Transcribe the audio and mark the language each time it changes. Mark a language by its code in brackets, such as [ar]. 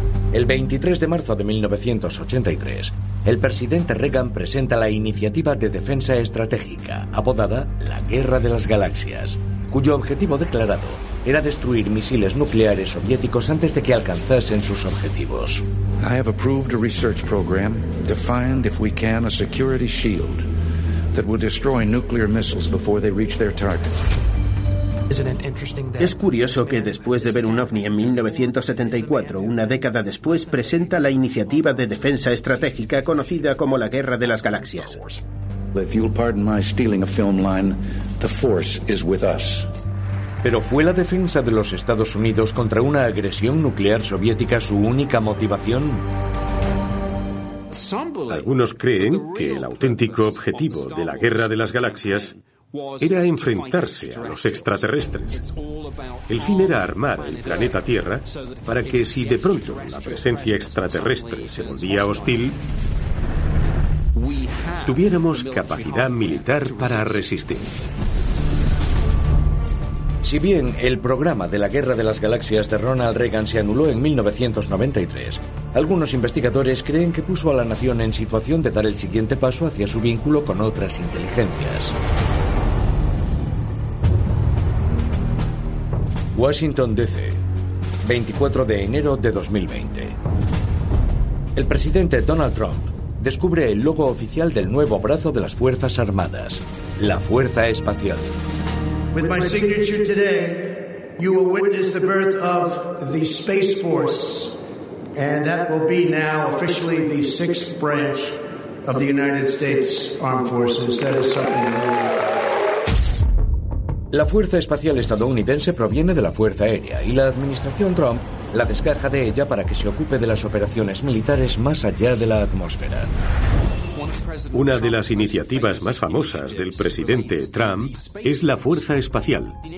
[es] El 23 de marzo de 1983, el presidente Reagan presenta la Iniciativa de Defensa Estratégica, apodada la Guerra de las Galaxias, cuyo objetivo declarado era destruir misiles nucleares soviéticos antes de que alcanzasen sus objetivos. [en] I have approved a research program to find, if we can, a security shield that will destroy nuclear missiles before they reach their target. [es] Es curioso que después de ver un ovni en 1974, una década después, presenta la Iniciativa de Defensa Estratégica conocida como la Guerra de las Galaxias. [en] If you'll pardon my stealing a film line, the force is with us. [es] Pero ¿fue la defensa de los Estados Unidos contra una agresión nuclear soviética su única motivación? Algunos creen que el auténtico objetivo de la Guerra de las Galaxias era enfrentarse a los extraterrestres. El fin era armar el planeta Tierra para que, si de pronto la presencia extraterrestre se volvía hostil, tuviéramos capacidad militar para resistir. Si bien el programa de la Guerra de las Galaxias de Ronald Reagan se anuló en 1993, algunos investigadores creen que puso a la nación en situación de dar el siguiente paso hacia su vínculo con otras inteligencias. Washington, D.C., 24 de enero de 2020. El presidente Donald Trump descubre el logo oficial del nuevo brazo de las Fuerzas Armadas, la Fuerza Espacial. [en] With my signature today, you will witness the birth of the Space Force, and that will be now officially the sixth branch of the United States Armed Forces. That is something new. [es] La Fuerza Espacial Estadounidense proviene de la Fuerza Aérea y la administración Trump la descaja de ella para que se ocupe de las operaciones militares más allá de la atmósfera. Una de las iniciativas más famosas del presidente Trump es la Fuerza Espacial.